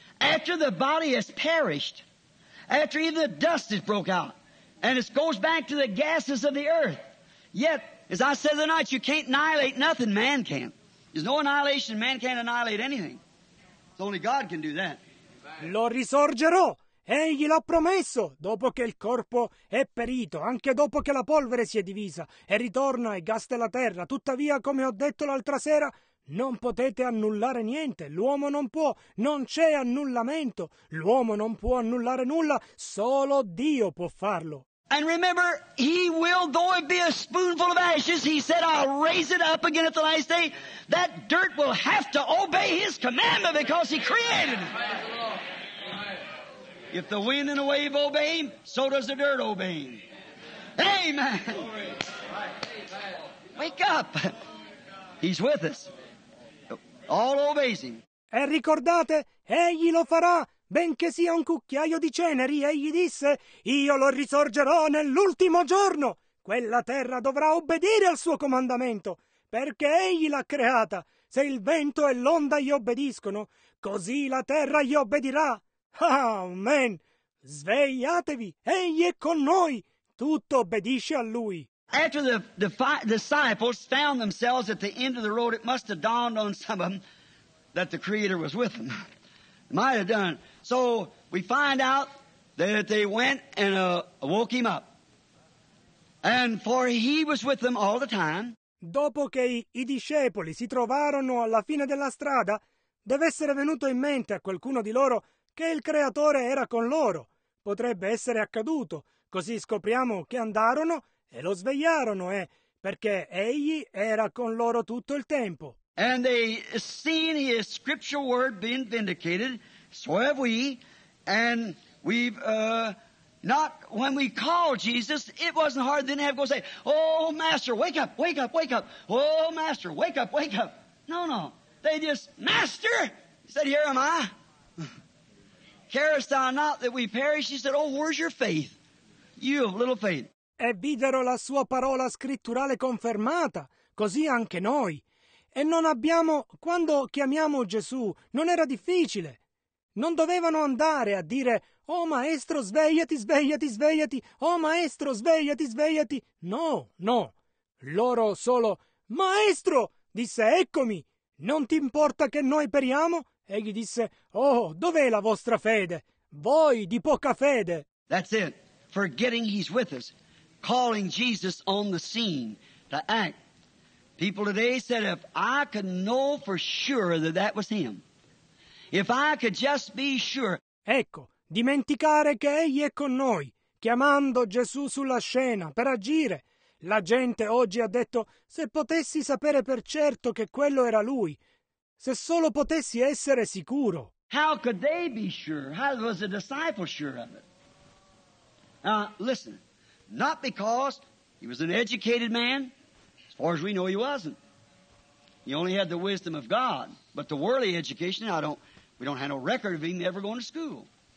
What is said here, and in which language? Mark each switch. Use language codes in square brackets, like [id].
[en] After the body has perished, after even the dust has broke out, and it goes back to the gases of the earth. Yet, as I said the night, you can't annihilate nothing, man can't. There's no annihilation, man can't annihilate anything. It's only God can do that. [it] Lo risorgerò. Egli l'ha promesso, dopo che il corpo è perito, anche dopo che la polvere si è divisa, e ritorna e gas della terra. Tuttavia, come ho detto l'altra sera, non potete annullare niente, l'uomo non può, non c'è annullamento, l'uomo non può annullare nulla, solo Dio può farlo. [en] And remember, he will, though it be a spoonful of ashes, he said, I'll raise it up again at the last day. That dirt will have to obey his commandment because he created it. If the wind and the wave obey him, so does the dirt obey him. Amen. Wake up. He's with us. All obeys him. [it] E ricordate, egli lo farà, benché sia un cucchiaio di ceneri, egli disse, io lo risorgerò nell'ultimo giorno. Quella terra dovrà obbedire al suo comandamento, perché egli l'ha creata. Se il vento e l'onda gli obbediscono, così la terra gli obbedirà. Amen. Svegliatevi, egli è con noi, tutto obbedisce a lui. [en] After the disciples found themselves at the end of the road, it must have dawned on some of them that the Creator was with them. Might have done. So we find out that they went and woke him up. And for he was with them all the time. [it] Dopo che i discepoli si trovarono alla fine della strada, deve essere venuto in mente a qualcuno di loro che il Creatore era con loro. Potrebbe essere accaduto. Così scopriamo che andarono e lo svegliarono, perché egli era con loro tutto il tempo. [en] And they seen his scripture word being vindicated, so have we, and we've not, when we called Jesus, it wasn't hard then to have to go say, oh, Master, wake up, wake up, wake up. Oh, Master, wake up, wake up. No, no. They just, Master, he said, here am I. Carest thou not that we perish? He said, oh, where's your faith? You have little faith. [it] E videro la sua parola scritturale confermata, così anche noi. E non abbiamo, quando chiamiamo Gesù, non era difficile. Non dovevano andare a dire, oh maestro, svegliati, svegliati, svegliati, oh maestro, svegliati, svegliati. No, no. Loro solo, maestro, disse, eccomi, non ti importa che noi periamo? E gli disse, oh, dov'è la vostra fede? Voi di poca fede. [en] That's it. Forgetting he's with us. Calling Jesus on the scene to act. People today said, if I could know for sure that that was him, If I could just be sure. [it] Ecco, dimenticare che Egli è con noi, chiamando Gesù sulla scena per agire. La gente oggi ha detto, se potessi sapere per certo che quello era Lui, se solo potessi essere sicuro. [en] How could they be sure? How was the disciple sure of it? Listen, not because he was an educated man. As far as we know, he wasn't. He only had the wisdom of God. But the worldly education, we don't have no record of him ever going to school.